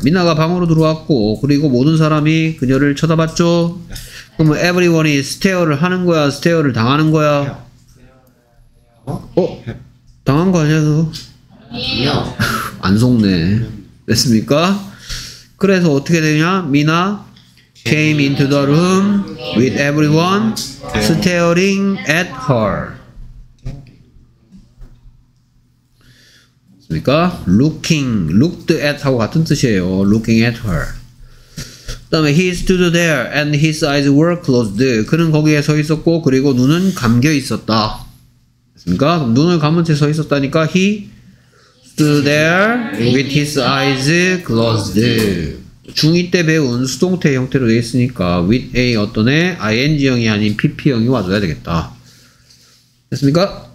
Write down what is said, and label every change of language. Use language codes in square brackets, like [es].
[ko] 미나가 방으로 들어왔고 그리고 모든 사람이 그녀를 쳐다봤죠. 그러면 everyone이 stare를 하는 거야, stare를 당하는 거야? 어? 당한 거 아니야, 너? 아니에요. 안 속네. 됐습니까? 그래서 어떻게 되냐? 미나 [en] came into the room with everyone staring at her. [ko] 그러니까 [en] looking, looked at her [ko] 같은 뜻이에요. [en] looking at her. [ko] 그다음에 [en] he stood there and his eyes were closed. [ko] 그는 거기에 서 있었고 그리고 눈은 감겨 있었다. 그러니까 눈을 감은 채 서 있었다니까 [en] he stood there with his eyes closed. [ko] 중2 때 배운 수동태 형태로 되어 있으니까 with a 어떤 애 ing형이 아닌 pp형이 와줘야 되겠다. 됐습니까?